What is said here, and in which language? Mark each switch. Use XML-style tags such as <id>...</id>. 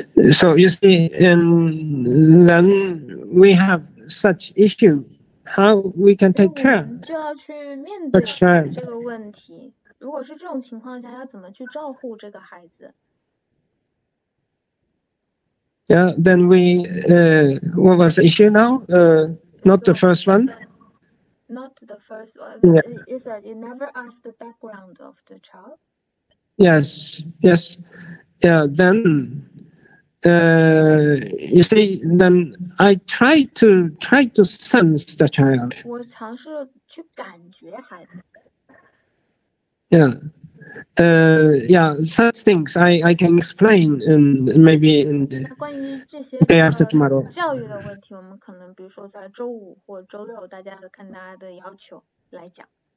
<en>So you see, and then we have such issue, how we can take care of such child.</en> <zh>如果是这种情况下，要怎么去照顾这个孩子？</zh> <en>Yeah, then we what was the issue now? Not the first one. Not the first one. Yeah. Is that you never ask the background of the child? Yes. Yes. Yeah. Then, you see, then I try to sense the child.</en> <zh>我尝试去感觉孩子。</zh> <en>Some things I can explain and maybe in the day after tomorrow.</en> <zh>教育的问题，我们可能比如说在周五或周六，大家看大家的要求来讲。</zh>